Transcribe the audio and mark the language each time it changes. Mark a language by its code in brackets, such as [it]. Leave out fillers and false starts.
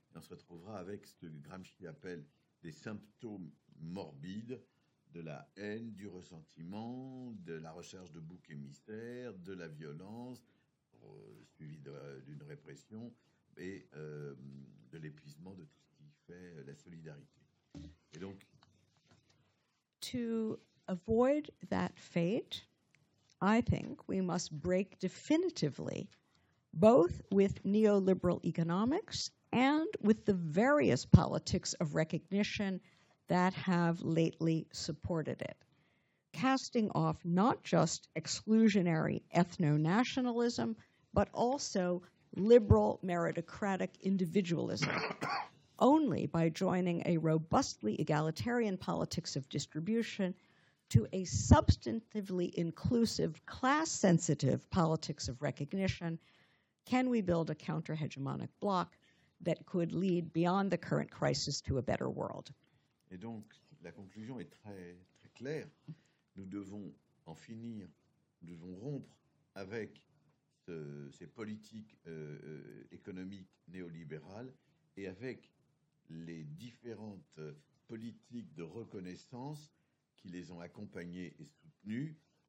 [fr] Et on se retrouvera avec ce que Gramsci appelle des symptômes morbides de la haine, du ressentiment, de la recherche de boucs émissaires, de la violence, suivie d'une répression et de l'épuisement de tout ce qui fait la solidarité. Et donc, [en] to avoid that fate, I think we must break definitively both with neoliberal economics and with the various politics of recognition that have lately supported it, casting off not just exclusionary ethno-nationalism, but also liberal meritocratic individualism. Only by joining a robustly egalitarian politics of distribution to a substantively inclusive, class-sensitive politics of recognition, can we build a counter-hegemonic bloc that could lead beyond the current crisis to a better world? [fr] Et donc, la conclusion est très, très claire. Nous devons en finir, nous devons rompre avec ces politiques économiques néolibérales et avec les différentes politiques de reconnaissance qui les ont accompagnées et soutenues.